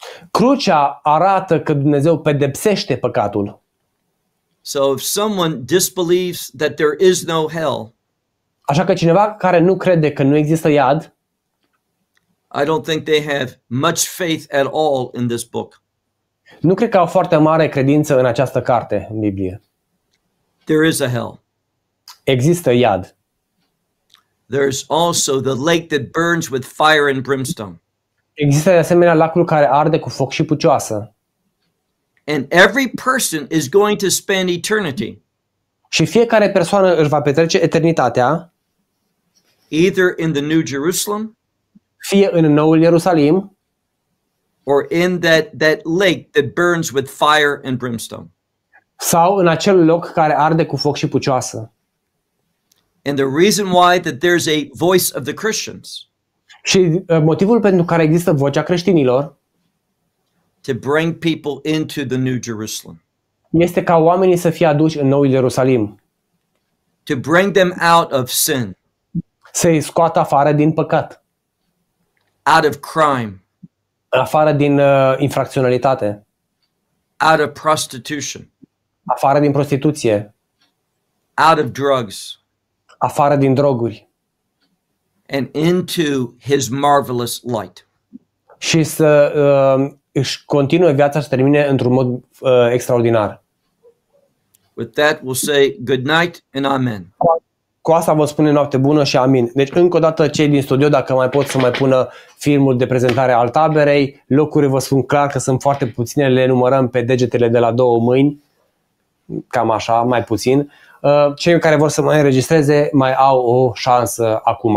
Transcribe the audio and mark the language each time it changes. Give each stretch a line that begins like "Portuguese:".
Romanian: Crucea arată că Dumnezeu pedepsește păcatul.
English: So if someone disbelieves that there is no hell,
Romanian: așa că cineva care nu crede că nu există iad,
English: I don't think they have much faith at all in this book.
Romanian: Nu cred că au foarte mare credință în această carte, în Biblie.
English: There is a hell.
Romanian: Există iad.
English: There's also the lake that burns with fire and brimstone.
Romanian: Există de asemenea lacul care arde cu foc și pucioasă.
English: And every person is going to spend eternity.
Romanian: Și fiecare persoană își va petrece eternitatea.
English: Either in the New Jerusalem,
Romanian: fie în noul Ierusalim,
English: or in that lake that burns with fire and brimstone.
Romanian: Sau în acel loc care arde cu foc și pucioasă.
English: And the reason why that there's a voice of the Christians.
Romanian: Și motivul pentru care există vocea creștinilor.
English: To bring people into the New Jerusalem.
Romanian: Este ca oamenii să fie aduși în noul Ierusalim.
English: To bring them out of sin.
Romanian: Să-i scoată afară din păcat.
English: Out of crime.
Romanian: Afară din infracționalitate.
English: Out of prostitution.
Romanian: Afară din prostituție.
English: Out of drugs.
Romanian: Afară din droguri.
English: And into his marvelous light.
Romanian: Și să își continue viața, să termine într-un mod extraordinar.
English: With that we'll say good night and amen.
Romanian: Cu asta vă spune noapte bună și amin. Deci încă o dată cei din studio, dacă mai pot să mai pună filmul de prezentare al taberei, locuri vă spun clar că sunt foarte puține, le numărăm pe degetele de la două mâini, cam așa, mai puțin. Cei care vor să mai înregistreze mai au o șansă acum.